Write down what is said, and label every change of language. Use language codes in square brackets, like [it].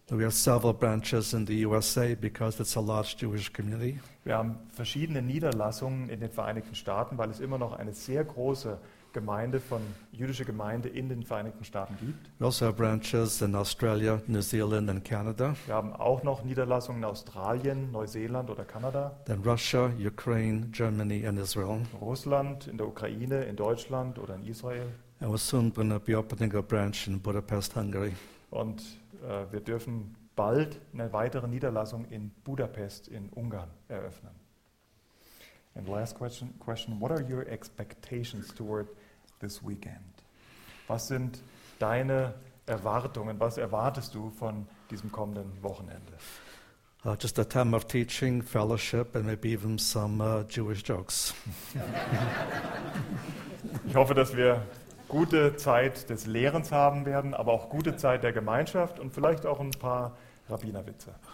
[en] We have several branches in the USA because it's a large Jewish community. [de] Wir haben verschiedene Niederlassungen in den Vereinigten Staaten, weil es immer noch eine sehr große Gemeinde von jüdische Gemeinde in den Vereinigten Staaten gibt. [en] We also have branches in Australia, New Zealand and Canada. [de] Wir haben auch noch Niederlassungen in Australien, Neuseeland oder Kanada. [en] Then Russia, Ukraine, Germany and Israel. [de] Russland, in der Ukraine, in Deutschland oder in Israel. [en] And we're soon going to be opening a branch in Budapest, Hungary. [de] Und wir dürfen bald eine weitere Niederlassung in Budapest in Ungarn eröffnen. [en] And last question, what are your expectations toward this weekend? [de] Was sind deine Erwartungen, was erwartest du von diesem kommenden Wochenende? [en] Just a time of teaching, fellowship and maybe even some Jewish jokes. [de] Ich hoffe, dass wir gute Zeit des Lehrens haben werden, aber auch gute Zeit der Gemeinschaft und vielleicht auch ein paar Rabbinerwitze.